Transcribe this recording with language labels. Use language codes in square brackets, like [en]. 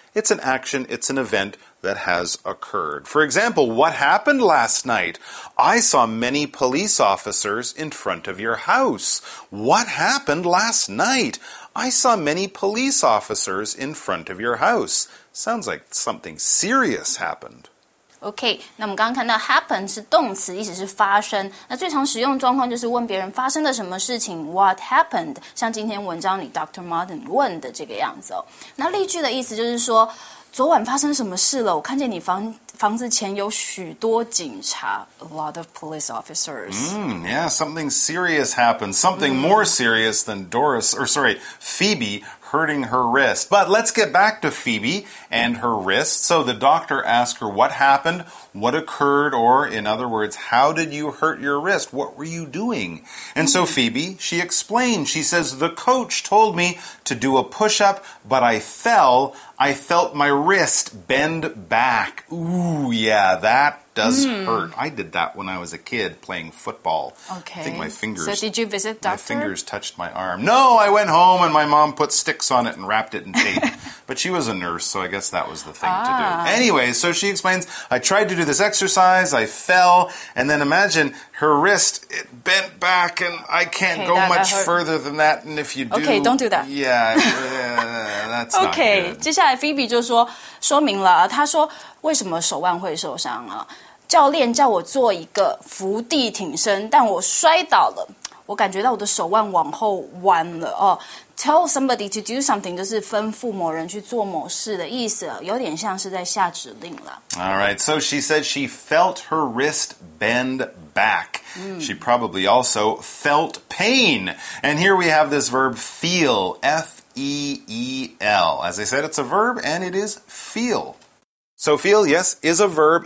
[en] It's an action, it's an event that has occurred. For example, what happened last night? I saw many police officers in front of your house. What happened last night? I saw many police officers in front of your house. Sounds like something serious happened. [zh] OK, 那我们刚刚看到 happen 是动词意思是发生那最常使用状况就是问别人发生了什么事情 [en] what happened [zh] 像今天文章里 Dr. Martin 问的这个样子哦那例句的意思就是说昨晚发生什么事了我看见你 房子前有许多警察 [en] a lot of police officers Yeah, something serious happened something more serious than Phoebe hurting her wrist. But let's get back to Phoebe and her wrist. So the doctor asked her what happened, what occurred, or in other words, how did you hurt your wrist? What were you doing? And so Phoebe, she explained. She says, the coach told me to do a push-up, but I fell. I felt my wrist bend back. Ooh, yeah, that does hurt. I did that when I was a kid playing football. Okay. I think my fingers... So did you visit doctor? My fingers touched my arm. No, I went home and my mom put sticks on it and wrapped it in tape. But she was a nurse, so I guess that was the thing to do. Anyway, so she explains, I tried to do this exercise, I fell, and then imagine her wrist, it bent back, and I can't okay, go much further than that, and if you do... Okay, don't do that. Yeah, that's not okay, good. [zh] 接下来 Phoebe 就说说明了，她说为什么手腕会受伤啊？教练叫我做一个伏地挺身，但我摔倒了，我感觉到我的手腕往后弯了哦。 [en] Tell somebody to do something [zh] 就是吩咐某人去做某事的意思，有点像是在下指令了。 [en] All right, so she said she felt her wrist bend back. She probably also felt pain. And here we have this verb feel, F-E-E-L. As I said, it's a verb and it is feel. So feel, yes, is a verb.